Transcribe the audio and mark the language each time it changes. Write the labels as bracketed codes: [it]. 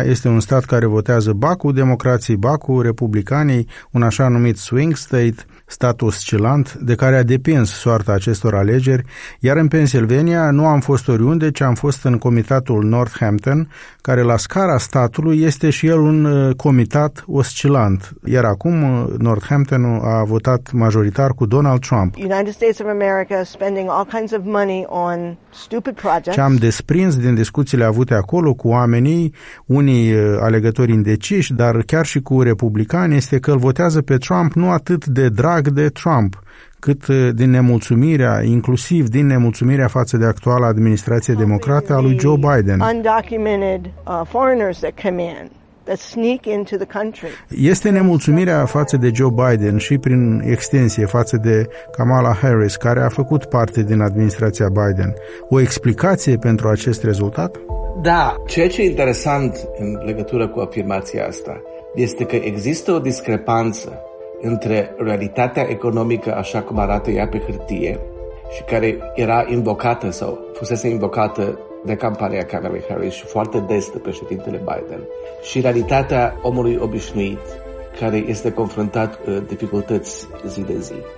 [ro] Este un stat care votează ba cu democrații, ba cu republicanii, un așa numit swing state. status oscilant de care a depins soarta acestor alegeri, iar în Pennsylvania nu am fost oriunde, ci am fost în comitatul Northampton, care la scara statului este și el un comitat oscilant. Iar acum Northampton a votat majoritar cu Donald Trump. [en] United States of America spending all kinds of money on stupid projects. [ro] Ce am desprins din discuțiile avute acolo cu oamenii, unii alegători indeciși, dar chiar și cu republicani, este că îl votează pe Trump nu atât de drag de Trump, cât din nemulțumirea, inclusiv din nemulțumirea față de actuala administrație democrată a lui Joe Biden. [en] Undocumented foreigners that come in, that sneak into the country. [ro] Este nemulțumirea față de Joe Biden și prin extensie față de Kamala Harris, care a făcut parte din administrația Biden. O explicație pentru acest rezultat? Da, ceea ce e interesant în legătură cu afirmația asta este că există o discrepanță între realitatea economică așa cum arată ea pe hârtie și care era invocată sau fusese invocată de campania Kamala Harris și foarte des de președintele Biden și realitatea omului obișnuit care este confruntat cu dificultăți zi de zi.